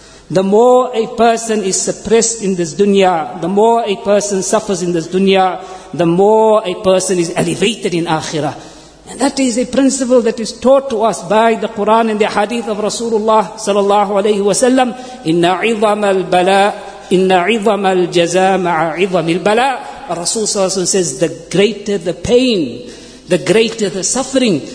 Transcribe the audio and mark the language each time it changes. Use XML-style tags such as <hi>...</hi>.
<en>The more a person is suppressed in this dunya, the more a person suffers in this dunya, the more a person is elevated in akhirah. And that is a principle that is taught to us by the Quran and the hadith of Rasulullah sallallahu alayhi wa sallam.</en> <ar>Inna عِظَمَ الْبَلَىٰ إِنَّ عِظَمَ الْجَزَىٰ مَعَ عِظَمِ الْبَلَىٰ.</ar> <en>Rasul sallallahu alayhi wa sallam says, the greater the pain, the greater the suffering.</en>